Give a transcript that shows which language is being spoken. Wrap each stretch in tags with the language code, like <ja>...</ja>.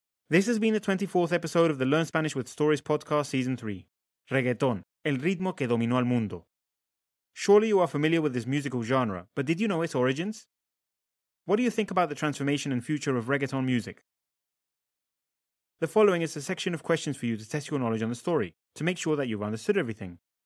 <en>This has been the 24th episode of the Learn Spanish with Stories podcast season 3.</en> <es>Reggaetón, el ritmo que dominó al mundo.</es> <en>Surely you are familiar with this musical genre, but did you know its origins? What do you think about the transformation and future of reggaeton music? The following is a section of questions for you to test your knowledge on the story, to make sure that you've understood everything.</en>